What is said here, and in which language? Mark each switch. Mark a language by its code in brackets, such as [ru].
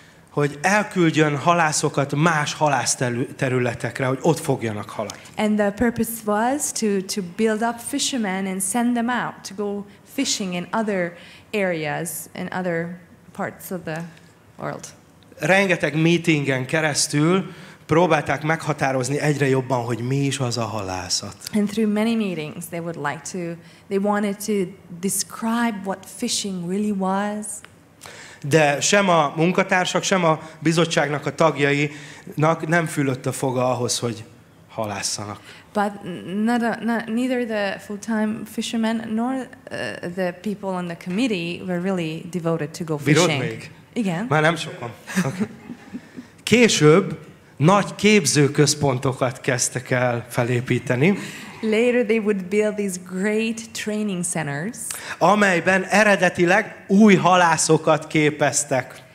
[hu] Hogy elküldjön halászokat más halász területekre, hogy ott fogjanak halat. [en] And the purpose was to build up fishermen and send them out to go fishing in other areas in other parts of the world. [hu] Rengeteg meetingen keresztül próbálták meghatározni egyre jobban, hogy mi is az a halászat. [en] And through many meetings they wanted to describe what fishing really was. [hu] de sem a munkatársak, sem a bizottságnak a tagjainak nem fülött a foga ahhoz, hogy halásszanak. [en] But neither the full-time fishermen nor the people on the committee were really devoted to go fishing. [hu] Bírod még? Igen. Már nem sokan. Okay. Később nagy képzőközpontokat kezdtek el felépíteni. [en] Later they would build these great training centers. [hu] Amelyben eredetileg új halászokat képeztek.